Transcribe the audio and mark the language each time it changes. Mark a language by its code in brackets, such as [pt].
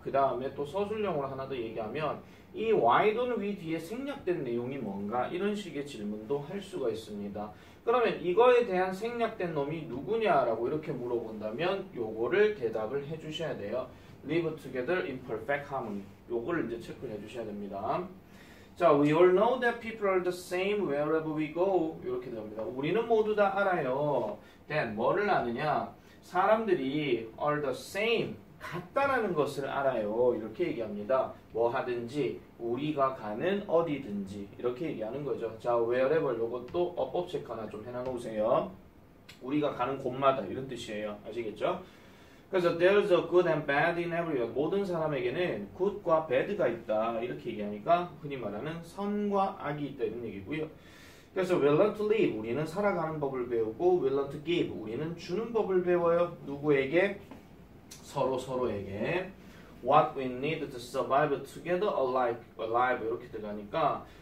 [ko] 그 다음에 또 서술형으로 하나 더 얘기하면 이 [en] why don't we [ko] 뒤에 생략된 내용이 뭔가 이런 식의 질문도 할 수가 있습니다. 그러면 이거에 대한 생략된 놈이 누구냐라고 이렇게 물어본다면 요거를 대답을 해주셔야 돼요. [en] Live together in perfect harmony. [ko] 요거를 이제 체크를 해주셔야 됩니다. [en] 자, we all know that people are the same wherever we go. [ko] 이렇게 됩니다. 우리는 모두 다 알아요. Then 뭐를 아느냐? 사람들이 [en] are the same. [ko] 같다라는 것을 알아요. 이렇게 얘기합니다. 뭐 하든지 우리가 가는 어디든지 이렇게 얘기하는 거죠. 자, wherever 이것도 어법 체크 하나 좀 해놔놓으세요. 우리가 가는 곳마다 이런 뜻이에요. 아시겠죠? 그래서 [en] there's a good and bad in everyone. [ko] 모든 사람에게는 good과 bad가 있다. 이렇게 얘기하니까 흔히 말하는 선과 악이 있다 이런 얘기고요. [en] 그래서 we learn to live. [ko] 우리는 살아가는 법을 배우고 [en] we learn to give. [ko] 우리는 주는 법을 배워요. 누구에게? 서로 서로에게 [en] What we need to survive together alive [ko] 이렇게 들어가니까